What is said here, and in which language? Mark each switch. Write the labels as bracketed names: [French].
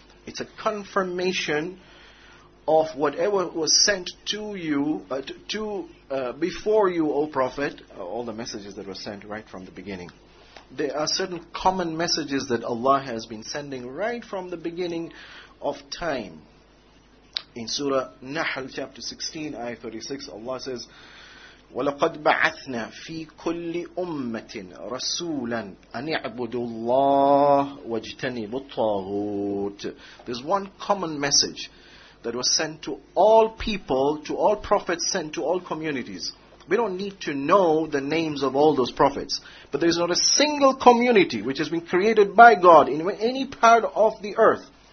[English] It's a confirmation of whatever was sent to you, before you, O Prophet, all the messages that were sent right from the beginning. There are certain common messages that Allah has been sending right from the beginning of time. In Surah Nahl, chapter 16, ayah 36, Allah says, [Arabic] وَلَقَدْ بَعَثْنَا فِي كُلِّ أُمَّةٍ رَسُولًا أَنِ اعْبُدُوا اللَّهَ وَاجْتَنِبُوا الطَّاغُوتَ. [English] There's one common message that was sent to all people, to all prophets sent to all communities. We don't need to know the names of all those prophets. But there's not a single community which has been created by God in any part of the earth.